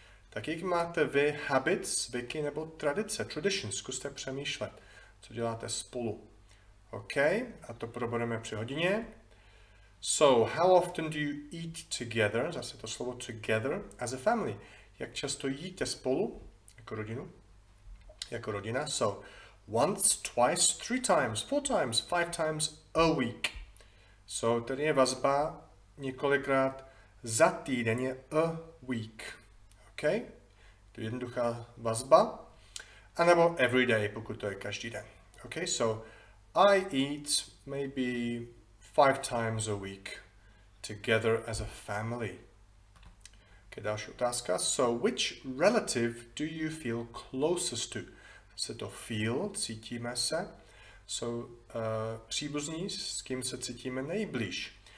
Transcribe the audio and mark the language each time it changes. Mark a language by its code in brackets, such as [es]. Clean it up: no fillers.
[cs] Tak jaký máte vy habits, zvyky nebo tradice, traditions, zkuste přemýšlet, co děláte spolu. OK, a to probereme při hodině. [en] So how often do you eat together, [cs] zase to slovo together, [en] as a family. [cs] Jak často jíte spolu, jako rodinu, jako rodina, so. [en] Once, twice, three times, four times, five times a week. [cs] So, tady je vazba několikrát za týden, je [en] a week. [cs] OK? To je jednoduchá vazba. A nebo [en] every day, [cs] pokud to je každý den. OK? [en] So, I eat maybe five times a week together as a family. OK, [cs] další otázka. [en] So, which relative do you feel closest to? [cs] Se [en] to feel, [cs] cítíme se. So, příbuzní, s kým se cítíme nejblíž.